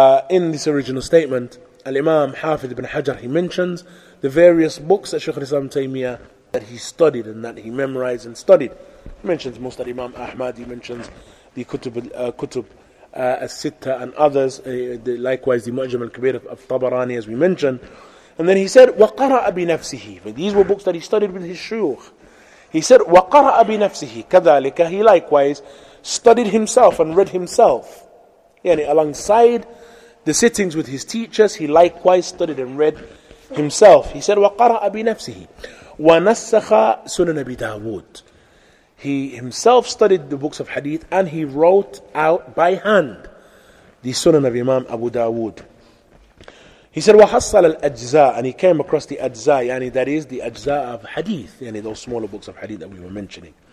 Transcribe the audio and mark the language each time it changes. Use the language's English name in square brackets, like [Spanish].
[English] In this original statement, Al-Imam Hafidh ibn Hajar, he mentions the various books that Shaykh al-Islam Taymiyyah that he studied and that he memorized and studied. He mentions Mustad Imam Ahmad, he mentions the Kutub As-Sitta and others, likewise the Mu'jam al-Kabir of Tabarani, as we mentioned. And then he said, [Arabic] وَقَرَأَ بِنَفْسِهِ. [English] These were books that he studied with his shuyukh. He said, [Arabic] وَقَرَأَ بِنَفْسِهِ كَذَلِكَ. [English] He likewise studied himself and read himself. Yani alongside the sittings with his teachers, he likewise studied and read himself. He said, [Arabic] وَقَرَأَ بِنَفْسِهِ وَنَسَّخَ سُنَنَ بِدَاوُودِ. [English] He himself studied the books of hadith and he wrote out by hand the Sunan of Imam Abu Dawood. He said, [Arabic] وَحَصَّلَ الْأَجْزَاءِ. [English] And he came across the ajza, yani that is the ajza of hadith, yani those smaller books of hadith that we were mentioning.